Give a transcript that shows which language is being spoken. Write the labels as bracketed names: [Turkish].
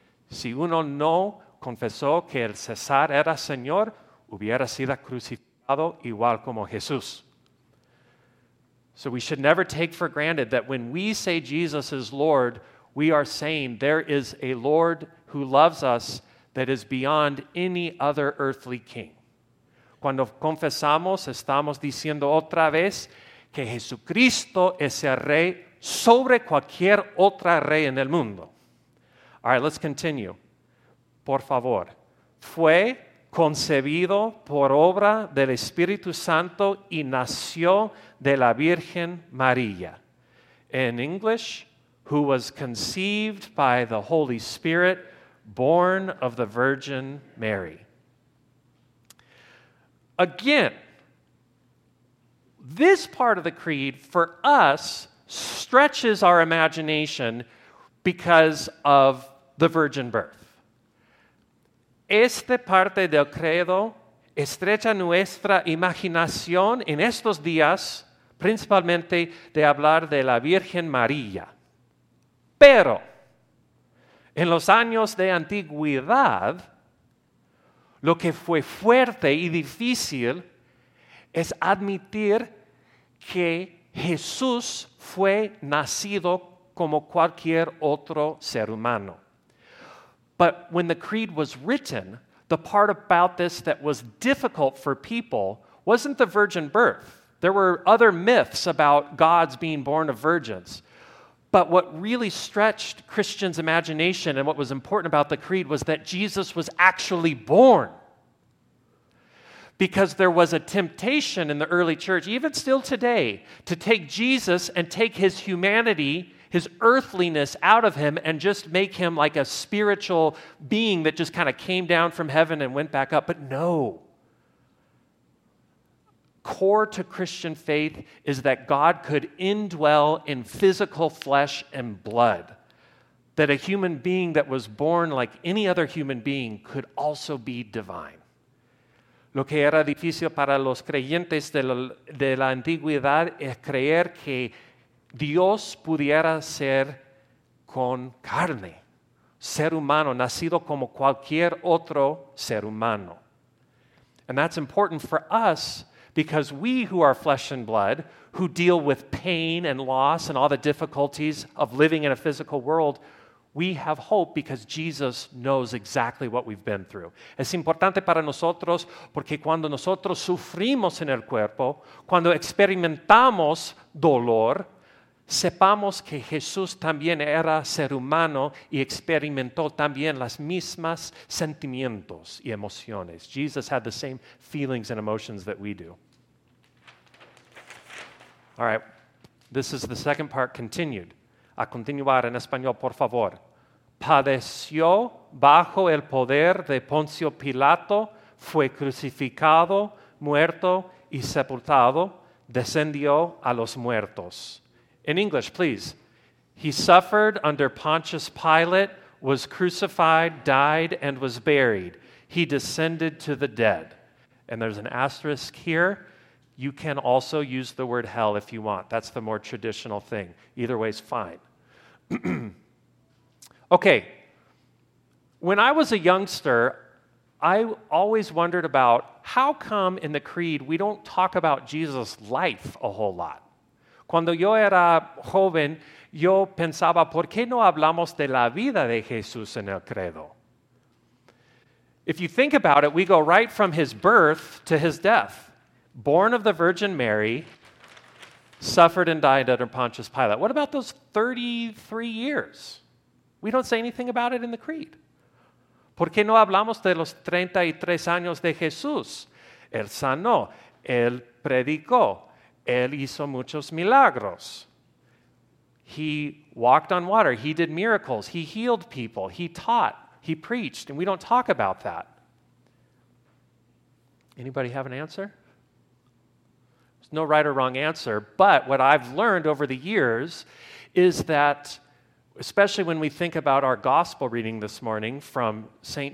[Spanish] Si uno no confesó que el César era Señor, hubiera sido crucificado igual como Jesús. [English] So we should never take for granted that when we say Jesus is Lord, we are saying there is a Lord who loves us that is beyond any other earthly king. [Spanish] Cuando confesamos, estamos diciendo otra vez que Jesucristo es el rey sobre cualquier otro rey en el mundo. [English] All right, let's continue. [Spanish] Por favor, fue concebido por obra del Espíritu Santo y nació de la Virgen María. [English] In English, who was conceived by the Holy Spirit, born of the Virgin Mary. Again, this part of the creed for us stretches our imagination because of the virgin birth. [Spanish] Esta parte del credo estrecha nuestra imaginación en estos días, principalmente de hablar de la Virgen María. Pero, en los años de antigüedad, lo que fue fuerte y difícil es admitir que Jesús fue nacido como cualquier otro ser humano. [English] But when the creed was written, the part about this that was difficult for people wasn't the virgin birth. There were other myths about gods being born of virgins. But what really stretched Christians' imagination and what was important about the creed was that Jesus was actually born. Because there was a temptation in the early church, even still today, to take Jesus and take his humanity, his earthliness out of him and just make him like a spiritual being that just kind of came down from heaven and went back up. But no. Core to Christian faith is that God could indwell in physical flesh and blood. That a human being that was born like any other human being could also be divine. [Spanish] Lo que era difícil para los creyentes de la antigüedad es creer que Dios pudiera ser con carne, ser humano, nacido como cualquier otro ser humano. [English] And that's important for us because we who are flesh and blood, who deal with pain and loss and all the difficulties of living in a physical world, we have hope because Jesus knows exactly what we've been through. [Spanish] Es importante para nosotros porque cuando nosotros sufrimos en el cuerpo, cuando experimentamos dolor, sepamos que Jesús también era ser humano y experimentó también las mismas sentimientos y emociones. [English] Jesus had the same feelings and emotions that we do. All right, this is the second part continued. [Spanish] A continuar en español, por favor. Padeció bajo el poder de Poncio Pilato, fue crucificado, muerto y sepultado, descendió a los muertos. [English] In English, please. He suffered under Pontius Pilate, was crucified, died, and was buried. He descended to the dead. And there's an asterisk here. You can also use the word hell if you want. That's the more traditional thing. Either way is fine. Okay. When I was a youngster, I always wondered about how come in the Creed we don't talk about Jesus' life a whole lot. [Spanish] Cuando yo era joven, yo pensaba, ¿por qué no hablamos de la vida de Jesús en el credo? [English] If you think about it, we go right from his birth to his death. Born of the Virgin Mary, suffered and died under Pontius Pilate. What about those 33 years? We don't say anything about it in the Creed. [Spanish] ¿Por qué no hablamos de los 33 años de Jesús? Él sanó, él predicó, él hizo muchos milagros. [English] He walked on water, he did miracles, he healed people, he taught, he preached, and we don't talk about that. Anybody have an answer? There's no right or wrong answer, but what I've learned over the years is that especially when we think about our gospel reading this morning from St.